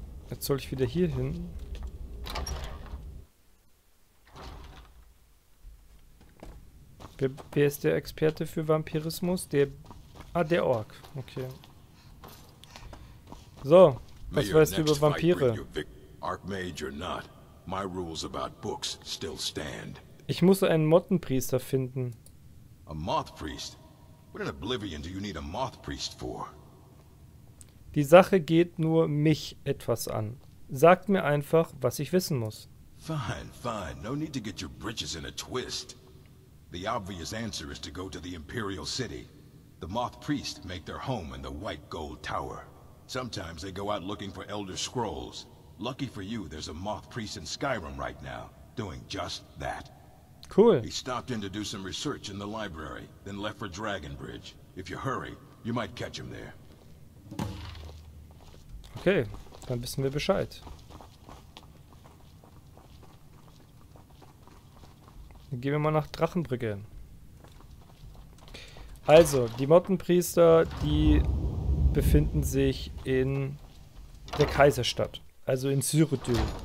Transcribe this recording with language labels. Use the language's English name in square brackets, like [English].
[German] Jetzt soll ich wieder hier hin. Wer ist der Experte für Vampirismus? Der Ork, okay. So, was weißt du über Vampire? [English] Archmage or not, my rules about books still stand. [German] Ich muss einen Mottenpriester finden. [English] A moth priest? What in Oblivion do you need a moth priest for? [German] Die Sache geht nur mich etwas an. Sagt mir einfach, was ich wissen muss. [English] Fine, fine. No need to get your britches in a twist. The obvious answer is to go to the Imperial City. The Moth Priest make their home in the White Gold Tower. Sometimes they go out looking for Elder Scrolls. Lucky for you, there's a Moth Priest in Skyrim right now, doing just that. Cool. He stopped in to do some research in the library, then left for Dragonbridge. If you hurry, you might catch him there. [German] Okay, dann wissen wir Bescheid. Dann gehen wir mal nach Drachenbrücke. Also, die Mottenpriester, die befinden sich in der Kaiserstadt, also in Cyrodiil.